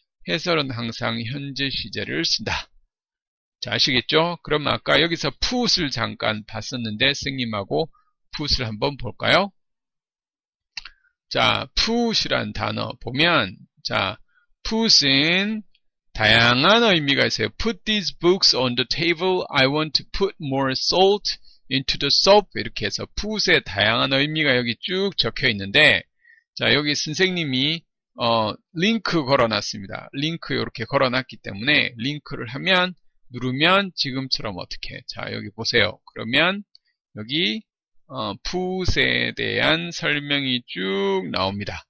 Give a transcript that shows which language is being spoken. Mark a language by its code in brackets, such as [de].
[ko] 해설은 항상 현재 시제를 쓴다. 자, 아시겠죠? 그럼 아까 여기서 풋을 잠깐 봤었는데, 선생님하고 풋을 한번 볼까요? 자, 풋이란 단어 보면, 자, 풋은 다양한 의미가 있어요. [en] Put these books on the table. I want to put more salt into the soup. [ko] 이렇게 해서 put의 다양한 의미가 여기 쭉 적혀 있는데, 자 여기 선생님이 링크 걸어놨습니다. 링크 이렇게 걸어놨기 때문에 링크를 하면 누르면 지금처럼 어떻게? 자 여기 보세요. 그러면 여기 put에 대한 설명이 쭉 나옵니다.